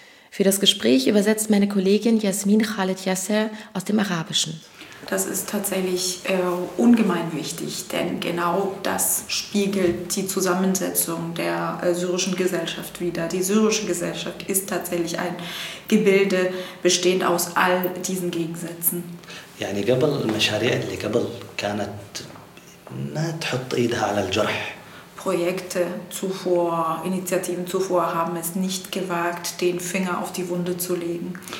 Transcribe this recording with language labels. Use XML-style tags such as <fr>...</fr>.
<de>Für das Gespräch übersetzt meine Kollegin Jasmin Khaled Yasser aus dem Arabischen. Das ist tatsächlich ungemein wichtig, denn genau das spiegelt die Zusammensetzung der syrischen Gesellschaft wider. Die syrische Gesellschaft ist tatsächlich ein Gebilde, bestehend aus all diesen Gegensätzen.</de> <ar>يعني قبل المشاريع اللي قبل كانت ما تحط ايدها على الجرح.</ar> <de>Projekte zuvor, Initiativen zuvor haben es nicht gewagt, den Finger auf die Wunde zu legen.</de>